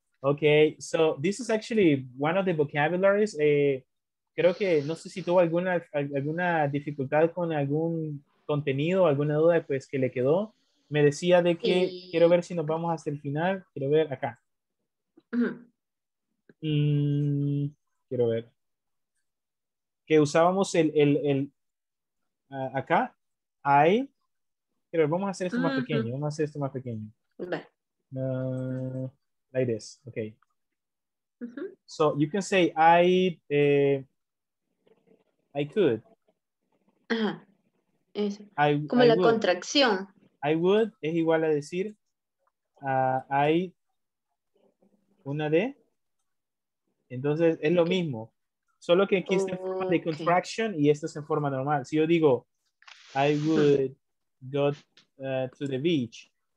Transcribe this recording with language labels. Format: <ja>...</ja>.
<en>Okay, so this is actually one of the vocabularies.</en> <es>Creo que, no sé si tuvo alguna dificultad con algún contenido, alguna duda, pues, que le quedó. Me decía de que, sí. Quiero ver si nos vamos hasta el final. Quiero ver acá. Quiero ver. Que usábamos el acá, ahí, pero vamos a hacer esto más pequeño, vamos a hacer esto más pequeño.</es> <en>Bye. Like this, okay. So you can say I could.</en> <es>Ajá. Eso. Como la contracción. I would es igual a decir I una de. Entonces es lo mismo. Solo que aquí está en forma de contraction y esto es en forma normal. Si yo digo,</es> <en>I would go to the beach.</en>